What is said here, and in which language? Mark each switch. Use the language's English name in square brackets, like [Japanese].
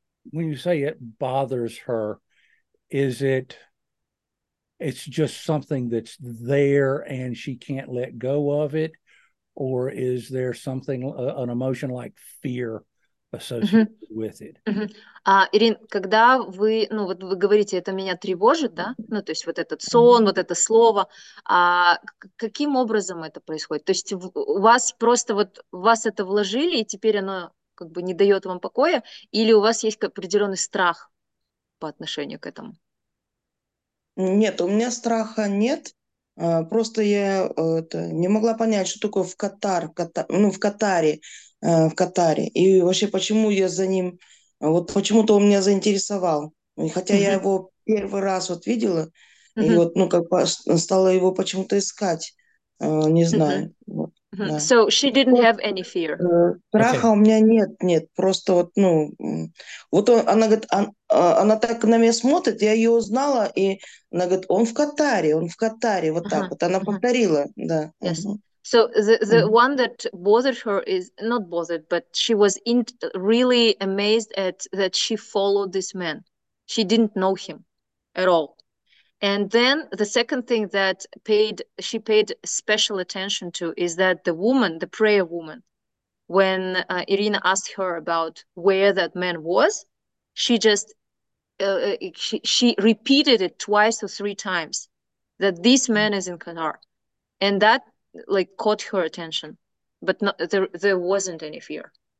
[English] When you say it bothers her, is it, it's just something that's there and she can't let go of it? Or is there something, an emotion like fear associated with it? [Russian] Ирин, когда вы, ну вот вы говорите, это меня тревожит, да? Ну то есть вот этот сон, вот это слово. Каким образом это происходит? То есть у вас просто вот, вас это вложили, и теперь оно как бы не дает вам покоя, или у вас есть определенный страх по отношению к этому? Нет, у меня страха нет. Просто я не могла понять, что такое в Катаре. И вообще, почему я за ним... Вот почему-то он меня заинтересовал. Хотя я его первый раз вот видела, и вот, ну, как бы стала его почему-то искать. Не знаю. Да. [English] So she didn't have any fear. [Russian] Страха у меня нет, нет. Просто вот, ну, вот он, она говорит, она так на меня смотрит, я ее узнала, и она говорит, он в Катаре, вот так вот. Она повторила, да. [English] Yes. So the one that bothered her is not bothered, but she was in really amazed at that she followed this man. She didn't know him at all. And then the second thing that she paid special attention to is that the woman, the prayer woman, when Irina asked her about where that man was, she just she repeated it twice or three times that this man is in Qatar, and that like caught her attention, but not, there wasn't any fear.